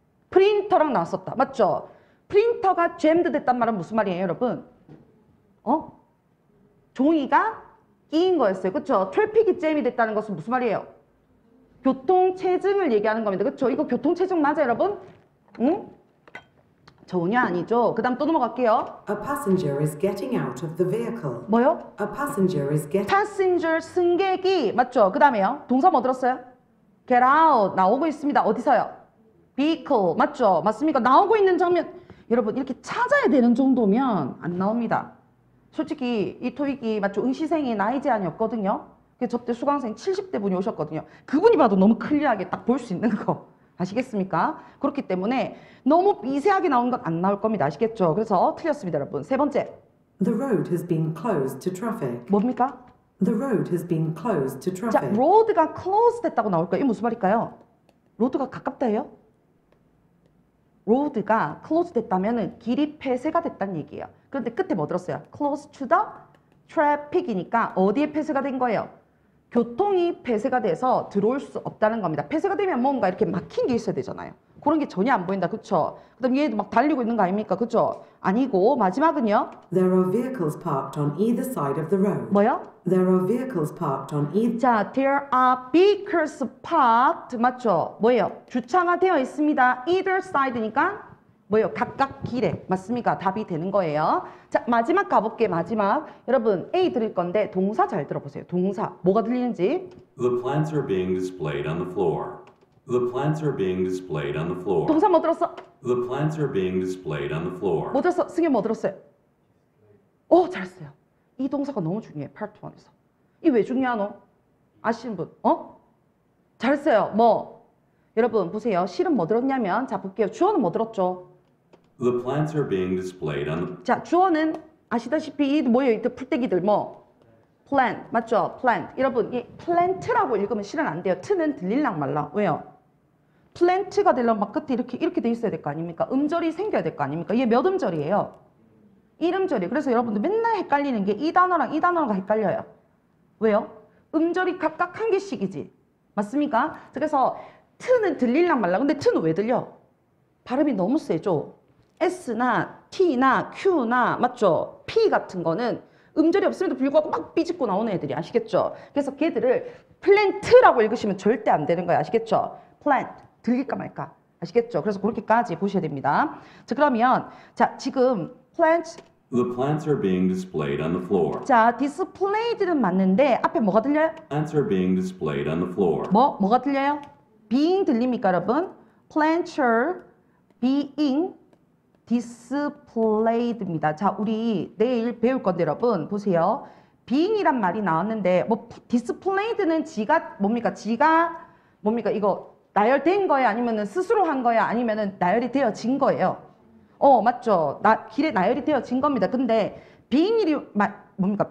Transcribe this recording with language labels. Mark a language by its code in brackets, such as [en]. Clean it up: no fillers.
[ko] 프린터랑 나왔었다. 맞죠? 프린터가 jammed 됐단 말은 무슨 말이에요, 여러분? 어? 종이가 끼인 거였어요. 그렇죠? 트래픽이 잼이 됐다는 것은 무슨 말이에요? 교통체증을 얘기하는 겁니다. 그렇죠? 이거 교통체증 맞아요, 여러분? 응? 전혀 아니죠. 그 다음 또 넘어갈게요. [en] A passenger is getting out of the vehicle. [ko] 뭐요? [en] A passenger is getting... [ko] passenger, 승객이. 맞죠? 그 다음에요. 동사 뭐 들었어요? Get out. 나오고 있습니다. 어디서요? Vehicle. 맞죠? 맞습니까? 나오고 있는 장면. 여러분 이렇게 찾아야 되는 정도면 안 나옵니다. 솔직히 이 토익이 맞죠? 응시생이 나이 제한이 없거든요. 접대 수강생 70대 분이 오셨거든요. 그분이 봐도 너무 클리어하게 딱 볼 수 있는 거. 아시겠습니까? 그렇기 때문에 너무 미세하게 나온 건 안 나올 겁니다. 아시겠죠? 그래서 틀렸습니다, 여러분. 세 번째. [en] The road has been closed to traffic. [ko] 뭡니까? [en] The road has been closed to traffic. [ko] 자, road가 closed 됐다고 나올 거예요. 이게 무슨 말일까요? road가 가깝다 해요? road가 closed 됐다면은 길이 폐쇄가 됐다는 얘기예요. 그런데 끝에 뭐 들었어요? close to the traffic이니까 어디에 폐쇄가 된 거예요? 교통이 폐쇄가 돼서 들어올 수 없다는 겁니다. 폐쇄가 되면 뭔가 이렇게 막힌 게 있어야 되잖아요. 그런 게 전혀 안 보인다. 그렇죠? 그다음 얘도 막 달리고 있는 거 아닙니까? 그렇죠? 아니고 마지막은요. [en] There are vehicles parked on either side of the road. [ko] 뭐요? [en] There are vehicles parked on either. 자, there are vehicles parked. [ko] 맞죠? 뭐예요? 주차가 되어 있습니다. Either side니까 뭐예요? 각각 길에. 맞습니까? 답이 되는 거예요. 자, 마지막 가볼게요. 마지막. 여러분, A 드릴 건데 동사 잘 들어보세요. 동사. 뭐가 들리는지. [en] The plants are being displayed on the floor. The plants are being displayed on the floor. [ko] 동사 뭐 들었어? [en] The plants are being displayed on the floor. [ko] 뭐 들었어? 승현 뭐 들었어요? 오, 잘했어요. 이 동사가 너무 중요해. Part 1에서. 이 왜 중요하노? 아시는 분. 어? 잘했어요. 뭐? 여러분, 보세요. 실은 뭐 들었냐면 자, 볼게요. 주어는 뭐 들었죠? [en] The plants are being displayed on the... [ko] 자, 주어는 아시다시피 이 뭐예요? 이 풀떼기들 뭐? [en] Plant, [ko] 맞죠? [en] Plant. [ko] 여러분, 이 plant라고 읽으면 실은 안 돼요. T는 들릴랑 말라. 왜요? Plant가 되려면 막 끝에 이렇게 돼 있어야 될 거 아닙니까? 음절이 생겨야 될 거 아닙니까? 얘 몇 음절이에요? 1음절이에요. 그래서 여러분들 맨날 헷갈리는 게 이 단어랑 이 단어가 헷갈려요. 왜요? 음절이 각각 한 개씩이지. 맞습니까? 그래서 T는 들릴랑 말라. 근데 T는 왜 들려? 발음이 너무 세죠? S나 T나 Q나 맞죠? P 같은 거는 음절이 없음에도 불구하고 막 삐집고 나오는 애들이 아시겠죠? 그래서 걔들을 plant라고 읽으시면 절대 안 되는 거야. 아시겠죠? plant 들릴까 말까. 아시겠죠? 그래서 그렇게까지 보셔야 됩니다. 자, 그러면 자, 지금 plants [en] The plants are being displayed on the floor. [ko] 자, displayed는 맞는데 앞에 뭐가 들려요? [en] Plants are being displayed on the floor. [ko] 뭐가 들려요? being 들립니까, 여러분? [en] plants are being displayed입니다. [ko] 자, 우리 내일 배울 건데 여러분 보세요. being이란 말이 나왔는데 뭐 displayed는 지가 뭡니까? 지가 뭡니까? 이거 나열된 거예요? 아니면은 스스로 한 거예요? 아니면은 나열이 되어진 거예요? 어, 맞죠. 나 길에 나열이 되어진 겁니다. 근데 being이 뭡니까?